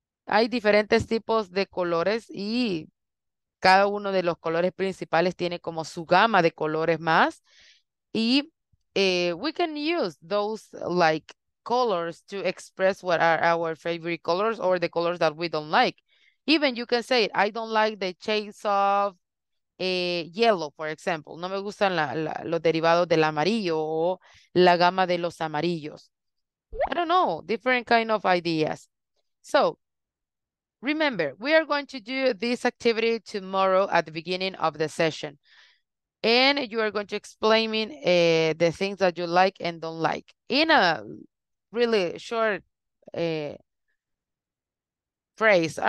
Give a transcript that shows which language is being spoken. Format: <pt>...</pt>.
<es>Hay diferentes tipos de colores y cada uno de los colores principales tiene como su gama de colores más.</es> <en>Y we can use those like colors to express what are our favorite colors or the colors that we don't like. Even you can say, I don't like the shades of yellow, for example.</en> <es>No me gustan los derivados del amarillo o la gama de los amarillos.</es> <en>I don't know, different kind of ideas. So, remember, we are going to do this activity tomorrow at the beginning of the session. And you are going to explain the things that you like and don't like in a really short phrase.</en>